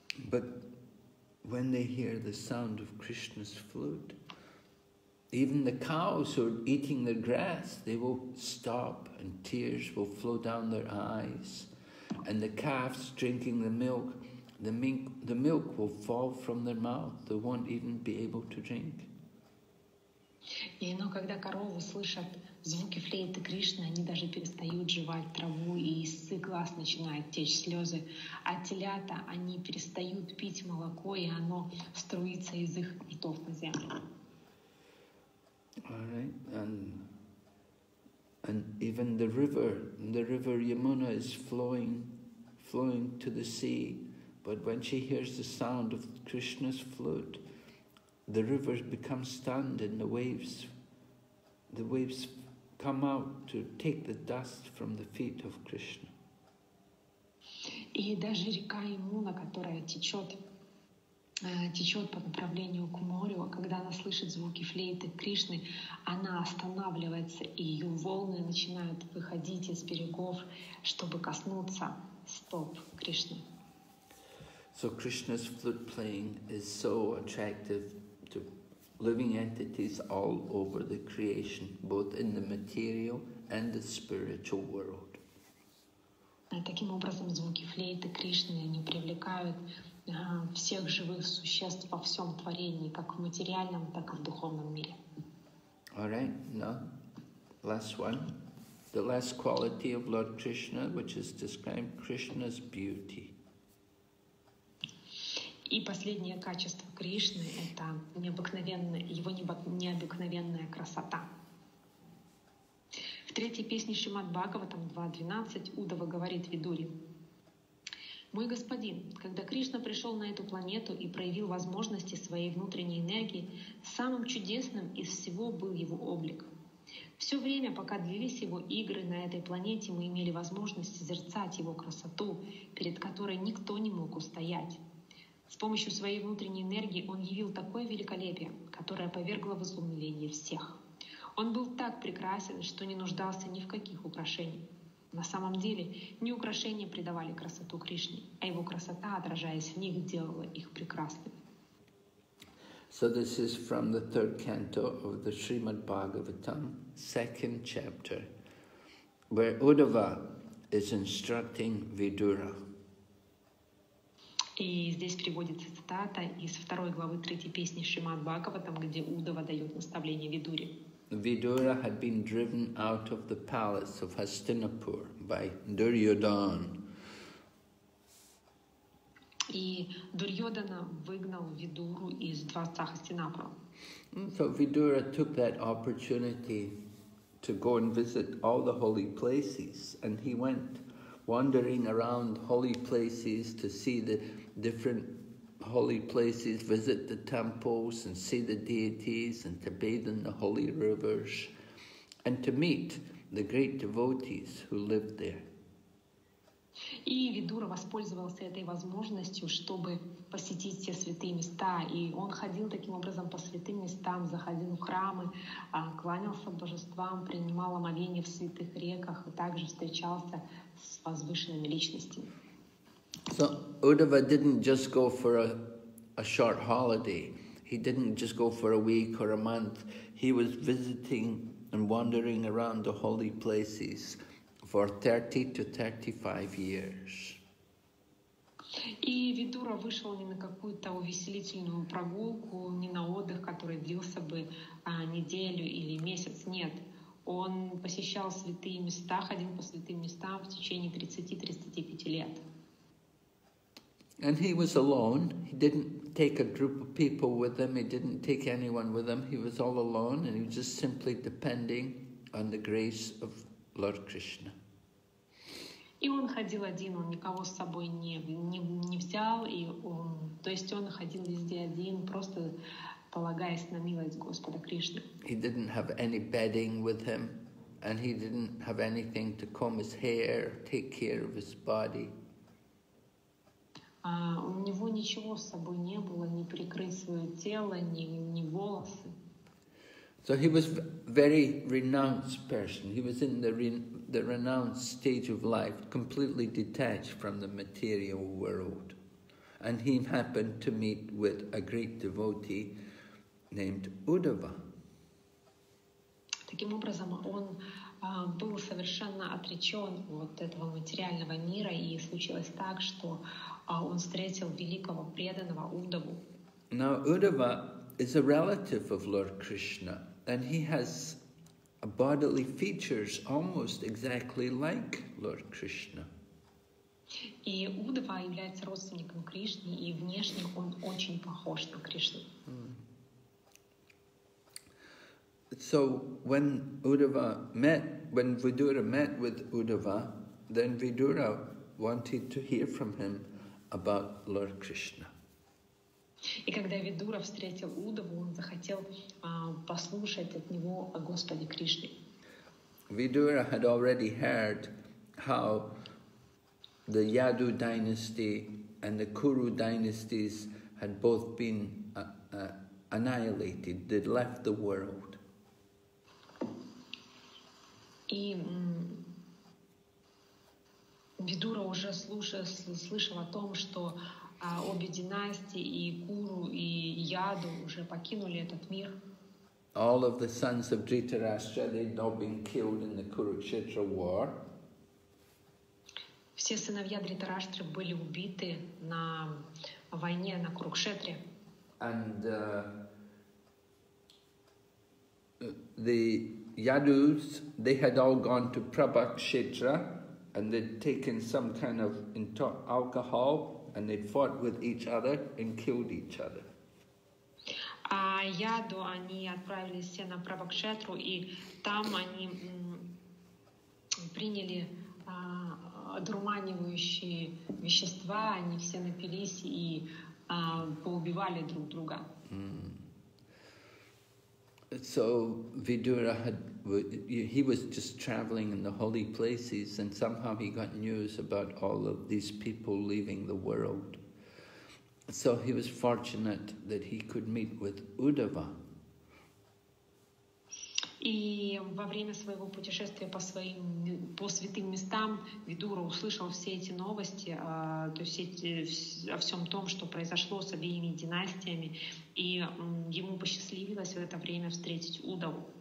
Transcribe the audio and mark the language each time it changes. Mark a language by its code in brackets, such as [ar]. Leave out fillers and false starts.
[en] But when they hear the sound of Krishna's flute, even the cows who are eating the grass, they will stop and tears will flow down their eyes. And the calves drinking the milk, the milk will fall from their mouth. They won't even be able to drink. [ru] Но когда коровы слышат звуки флейты Кришны, они даже перестают жевать траву, и из глаз начинают течь слезы. А телята, они перестают пить молоко, и оно струится из их ртов на землю. [en] All right, and even the river Yamuna is flowing to the sea, but when she hears the sound of Krishna's flute, the river becomes stunned, and the waves come out to take the dust from the feet of Krishna. [ru] И даже река Ямуна, которая течет по направлению к морю, а когда она слышит звуки флейты Кришны, она останавливается, и ее волны начинают выходить из берегов, чтобы коснуться стоп Кришны. [en] So Krishna's flute playing is so attractive to living entities all over the creation, both in the material and the spiritual world. [ru] Таким образом, звуки флейты Кришны, они привлекают всех живых существ во всем творении, как в материальном, так и в духовном мире. [en] All right, now, last one. The last quality of Lord Krishna, which is described Krishna's beauty. [ru] И последнее качество Кришны – это его необыкновенная красота. В третьей песне Шримад-Бхагаватам 2.12 Удава говорит Видури: «Мой господин, когда Кришна пришел на эту планету и проявил возможности своей внутренней энергии, самым чудесным из всего был его облик. Все время, пока длились его игры на этой планете, мы имели возможность созерцать его красоту, перед которой никто не мог устоять. С помощью своей внутренней энергии он явил такое великолепие, которое повергло в изумление всех. Он был так прекрасен, что не нуждался ни в каких украшениях. На самом деле, не украшения придавали красоту Кришне, а его красота, отражаясь в них, делала их прекрасными». [en] So this is from the third canto of the Srimad Bhagavatam, second chapter, where Uddhava is instructing Vidura. [ru] И здесь приводится цитата из второй главы третьей песни Шримад Бхагаватам, где Уддхава дает наставление Видуре. [en] Vidura had been driven out of the palace of Hastinapur by Duryodhan. [ru] И Дурьодана выгнал Видуру из дворца Хастинапура. [en] So Vidura took that opportunity to go and visit all the holy places. And he went wandering around holy places to see the different holy places, visit the temples and see the deities and to bathe in the holy rivers and to meet the great devotees who lived there. [ru] И Видура воспользовался этой возможностью, чтобы посетить все святые места. И он ходил таким образом по святым местам, заходил в храмы, кланялся божествам, принимал омовение в святых реках и также встречался с возвышенными личностями. [en] So Uddhava didn't just go for a short holiday. He didn't just go for a week or a month. He was visiting and wandering around the holy places for 30 to 35 years. [ru] И Видура вышел не на какую-то увеселительную прогулку, не на отдых, который длился бы неделю или месяц. Нет, он посещал святые места, ходил по святым местам в течение 30-35 лет. [en] And he was alone. He didn't take a group of people with him. He didn't take anyone with him. He was all alone, and he was just simply depending on the grace of Lord Krishna. [ru] И он ходил один, он никого с собой не взял, и он, то есть он ходил везде один, просто полагаясь на милость Господа Кришны. [en] He didn't have any bedding with him, and he didn't have anything to comb his hair, take care of his body. [ru] У него ничего с собой не было, ни прикрыть свое тело, ни волосы. [en] So he was very renounced person. He was in the renounced stage of life, completely detached from the material world. And he happened to meet with a great devotee named Uddhava. [ru] Таким образом, он был совершенно отречен от этого материального мира, и случилось так, что он встретил великого преданного Уддаву. [en] Now Uddhava is a relative of Lord Krishna. And he has bodily features almost exactly like Lord Krishna. [ru] И Уддава является родственником Кришны, и внешне он очень похож на Кришну. [en] So when Uddava met, when Vidura met with Uddava, then Vidura wanted to hear from him about Lord Krishna. [ru] И когда Видура встретил Уддаву, он захотел послушать от него о Господе Кришне. [en] Видура had already heard how the Yadu dynasty and the Kuru dynasties had both been annihilated, they'd left the world. [ru] И Видура уже слышал о том, что обе династии, и Куру, и Яду, уже покинули этот мир. [en] All of the sons of Dhritarashtra, they'd now been killed in the Kurukshetra war. [ru] Все сыновья Дхритарашты были убиты на войне на Курукшетре. [en] And the Yadus, they had all gone to Prabhakshetra, and they'd taken some kind of alcohol, and they fought with each other and killed each other. [ru] Яду они отправились все на Прабхакшетру, и там они приняли одурманивающие вещества, они все напились и поубивали друг друга. [en] So Vidura had, he was just traveling in the holy places, and somehow he got news about all of these people leaving the world. So he was fortunate that he could meet with Uddhava. [ru] И во время своего путешествия по своим по святым местам Видура услышал все эти новости, то есть о всем том, что произошло с обеими династиями, и ему посчастливилось в это время встретить Уддаву.